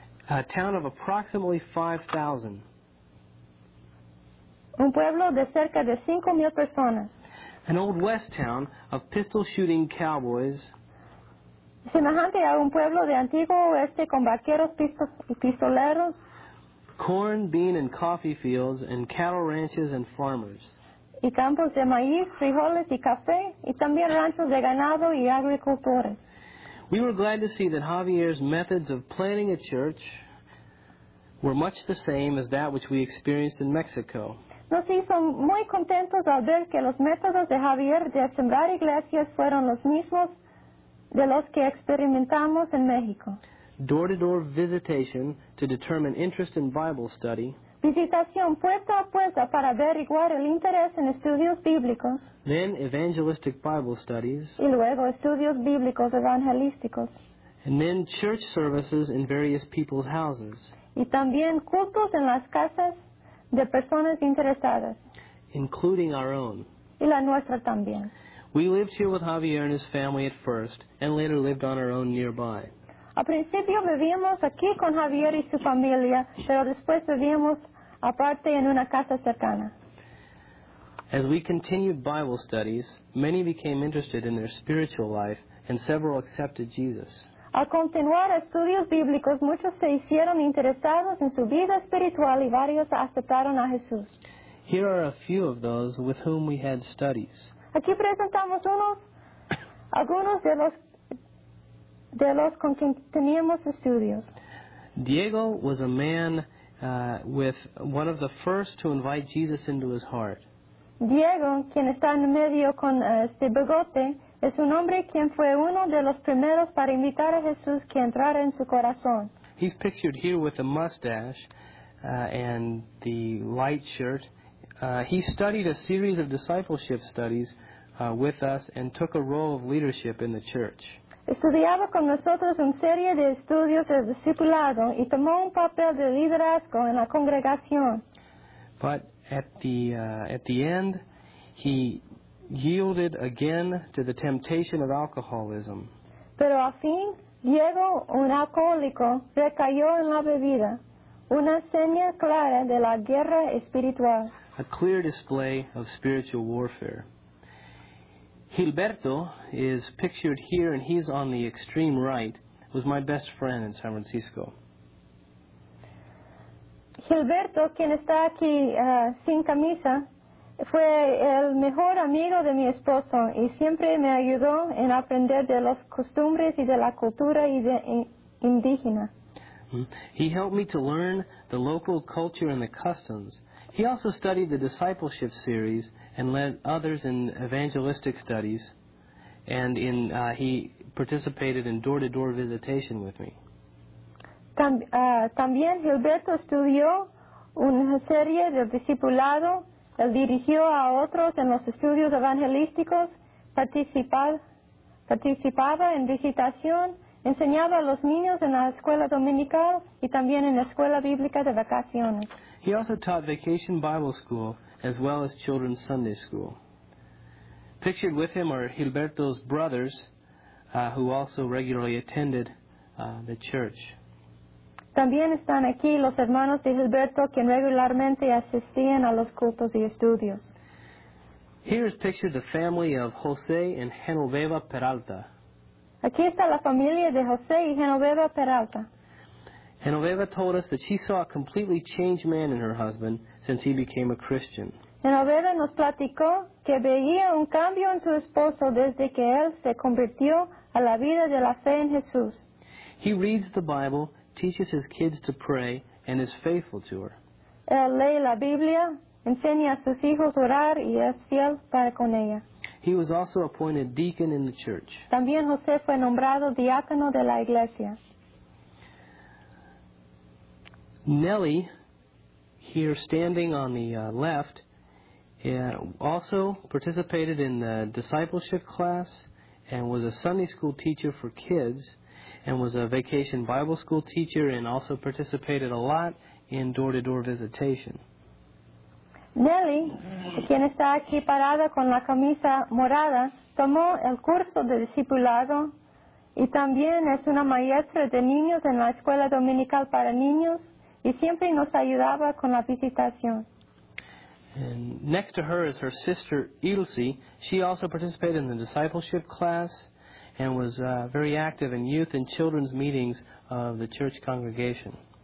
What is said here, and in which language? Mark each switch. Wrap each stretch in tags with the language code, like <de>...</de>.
<en>A town of approximately 5,000.</en> <es>Un pueblo de cerca de 5,000 personas.</es> <en>An old west town of pistol shooting cowboys.</en> <es>Semejante a un pueblo de antiguo oeste con vaqueros pistoleros.</es> <en>Corn, bean, and coffee fields, and cattle ranches and farmers.</en> <es>Y campos de maíz, frijoles y café, y también ranchos de ganado y agricultores.</es> <en>We were glad to see that Javier's methods of planting a church were much the same as that which we experienced in Mexico.</en> <es>Nos hizo muy contentos al ver que los métodos de Javier de sembrar iglesias fueron los mismos de los que experimentamos en México.</es> <en>Door-to-door visitation to determine interest in Bible study.</en> <es>visitación puerta a puerta para averiguar el interés en estudios bíblicos.</es> <en>Then evangelistic Bible studies.</en> <es>Y luego estudios bíblicos evangelísticos.</es> <en>And then church services in various people's houses.</en> <es>Y también cultos en las casas de personas interesadas.</es> <en>Including our own.</en> <es>Y la nuestra también.</es> <en>We lived here with Javier and his family at first, and later lived on our own nearby.</en> <es>Al principio vivíamos aquí con Javier y su familia, pero después vivíamos aparte en una casa cercana.</es> <en>As we continued Bible studies, many became interested in their spiritual life, and several accepted Jesus.</en> <es>Al continuar estudios bíblicos, muchos se hicieron interesados en su vida espiritual y varios aceptaron a Jesús.</es> <en>Here are a few of those with whom we had studies.</en> <es>Aquí presentamos algunos de los con quien teníamos estudios.</es> <en>Diego was a man with one of the first to invite Jesus into his heart.</en> <es>Diego, quien está en medio con este bigote, es un hombre quien fue uno de los primeros para invitar a Jesús que entrara en su corazón.</es> <en>He's pictured here with a mustache and the light shirt. He studied a series of discipleship studies with us and took a role of leadership in the church.</en> <es>Estudiaba con nosotros una serie de estudios de discipulado y tomó un papel de liderazgo en la congregación.</es> <en>But at the end, he yielded again to the temptation of alcoholism.</en> <es>Pero al fin, Diego, un alcohólico, recayó en la bebida, una seña clara de la guerra espiritual.</es> <en>A clear display of spiritual warfare. Gilberto is pictured here, and he's on the extreme right. Was my best friend in San Francisco.</en> <es>Gilberto, quien está aquí sin camisa, fue el mejor amigo de mi esposo y siempre me ayudó en aprender de las costumbres y de la cultura indígena.</es> <en>He helped me to learn the local culture and the customs. He also studied the discipleship series and led others in evangelistic studies, and he participated in door-to-door visitation with me.</en> <es>También Gilberto estudió una serie de discipulado. Él dirigió a otros en los estudios evangelísticos, participaba en visitación, enseñaba a los niños en la escuela dominical y también en la escuela bíblica de vacaciones.</es> <en>He also taught vacation Bible school as well as children's Sunday school. Pictured with him are Gilberto's brothers, who also regularly attended the church.</en> <es>También están aquí los hermanos de Gilberto, quien regularmente asistían a los cultos y estudios.</es> <en>Here is pictured the family of José and Genoveva Peralta.</en> <es>Aquí está la familia de José y Genoveva Peralta.</es> <en>Genoveva told us that she saw a completely changed man in her husband since he became a Christian.</en> <es>Genoveva nos platicó que veía un cambio en su esposo desde que él se convirtió a la vida de la fe en Jesús.</es> <en>He reads the Bible, teaches his kids to pray, and is faithful to her.</en> <es>Él lee la Biblia, enseña a sus hijos orar y es fiel para con ella.</es> <en>He was also appointed deacon in the church.</en> <es>También José fue nombrado diácono de la iglesia.</es> <en>Nelly, here standing on the left, also participated in the discipleship class and was a Sunday school teacher for kids and was a vacation Bible school teacher and also participated a lot in door-to-door visitation.</en> <es>Nelly, quien está aquí parada con la camisa morada, tomó el curso de discipulado y también es una maestra de niños en la escuela dominical para niños. Y siempre nos ayudaba con la visitación.</es> <en>And next to her is her sister, Ilse. She also participated in the discipleship class and was very active in youth and children's meetings of the church congregation.</en>